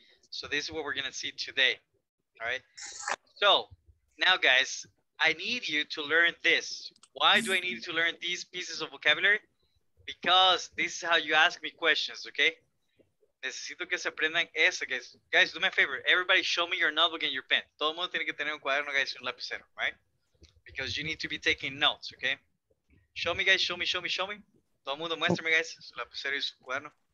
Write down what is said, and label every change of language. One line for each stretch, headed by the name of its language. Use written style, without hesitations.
English: So this is what we're gonna see today. All right. So now, guys, I need you to learn this. Why do I need to learn these pieces of vocabulary? Because this is how you ask me questions, okay?
Spanish: Necesito que se aprendan eso,
English: guys. Guys, do me a favor. Everybody show me your notebook and your pen.
Spanish: Todo mundo tiene que tener un cuaderno, guys, y un lapicero, right?
English: Because you need to be taking notes, okay? Show me, guys, show me, show me, show me.
Spanish: Todo mundo muéstrame, guys, su lapicero y su cuaderno.